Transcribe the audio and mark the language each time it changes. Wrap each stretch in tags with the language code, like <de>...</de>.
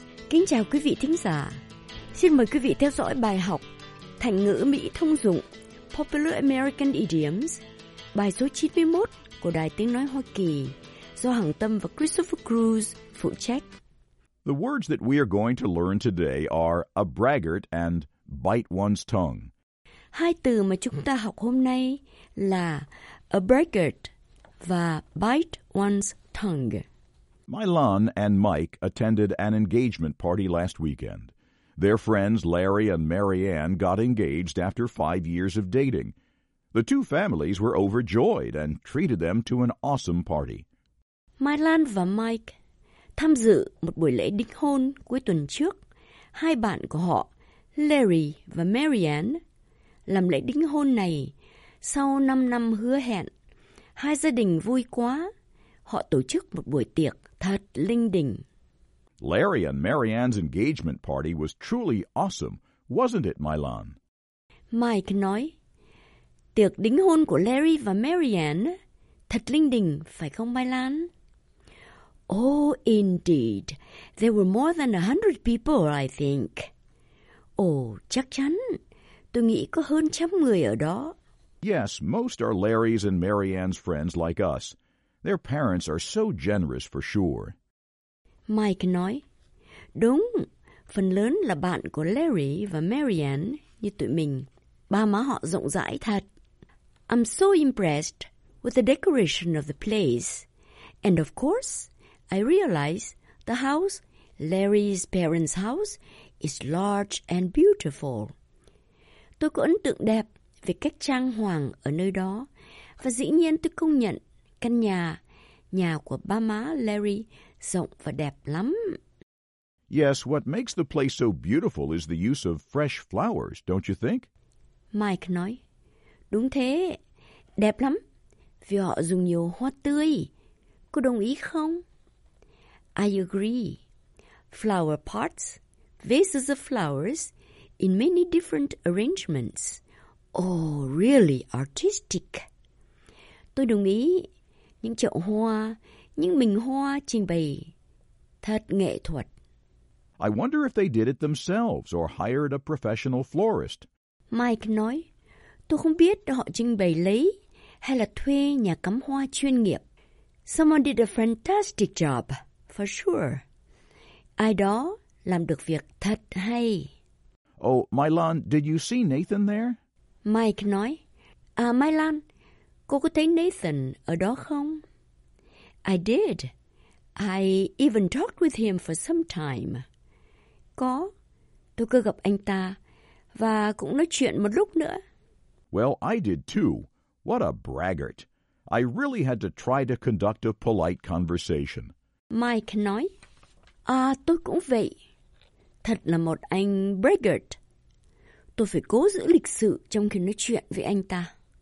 <vi>Kính chào quý vị thính giả. Xin mời quý vị theo dõi bài học Thành ngữ Mỹ thông dụng Popular American Idioms, bài số 91 của Đài Tiếng Nói Hoa Kỳ do Hằng Tâm và Christopher Cruz phụ trách.</vi> <en>The words that we are going to learn today are a braggart and bite one's tongue.</en> <vi>Hai từ mà chúng ta học hôm nay là a braggart và</vi> <en>bite one's tongue. Mylon and Mike attended an engagement party last weekend. Their friends Larry and Marianne got engaged after 5 years of dating. The two families were overjoyed and treated them to an awesome party.</en> <vi>Mylon và Mike tham dự một buổi lễ đính hôn cuối tuần trước. Hai bạn của họ, Larry và Marianne, làm lễ đính hôn này sau 5 năm hứa hẹn. Hai gia đình vui quá. Họ tổ chức một buổi tiệc thật linh đình.</vi> <en>Larry and Marianne's engagement party was truly awesome, wasn't it, Mylon?</en> <vi>Mike nói, tiệc đính hôn của Larry và Marianne thật linh đình, phải không, Mylon?</vi> <en>Oh, indeed. There were more than 100 people, I think.</en> <vi>Oh, chắc chắn. Tôi nghĩ có hơn 100 người ở đó.</vi> <en>Yes, most are Larry's and Marianne's friends like us. Their parents are so generous for sure.</en> <vi>Mike nói, đúng, phần lớn là bạn của Larry và Marianne như tụi mình. Ba má họ rộng rãi thật.</vi> <en>I'm so impressed with the decoration of the place. And of course, I realize the house, Larry's parents' house, is large and beautiful.</en> <vi>Tôi có ấn tượng đẹp về cách trang hoàng ở nơi đó. Và dĩ nhiên tôi công nhận căn nhà của ba má Larry rộng và đẹp lắm.</vi> <en>Yes, what makes the place so beautiful is the use of fresh flowers, don't you think?</en> <vi>Mike nói, đúng thế, đẹp lắm, vì họ dùng nhiều hoa tươi. Cô đồng ý không?</vi> <en>I agree. Flower pots, vases of flowers, in many different arrangements. Oh, really artistic.</en> <vi>Tôi đồng ý, những chậu hoa, những bình hoa trình bày thật nghệ thuật.</vi> <en>I wonder if they did it themselves or hired a professional florist.</en> <vi>Mike nói, tôi không biết họ trình bày lấy hay là thuê nhà cắm hoa chuyên nghiệp.</vi> <en>Someone did a fantastic job, for sure.</en> <vi>Ai đó làm được việc thật hay.</vi> <en>Oh, Mylon, did you see Nathan there?</en> <vi>Mike nói, Mylon, cô có thấy Nathan ở đó không?</vi> <en>I did. I even talked with him for some time.</en> <vi>Có. Tôi có gặp anh ta và cũng nói chuyện một lúc nữa.</vi> <en>Well, I did too. What a braggart. I really had to try to conduct a polite conversation.</en> <vi>Mike nói, tôi cũng vậy. Thật là một anh braggart. Tôi phải cố giữ lịch sự trong khi nói chuyện với anh ta.</vi>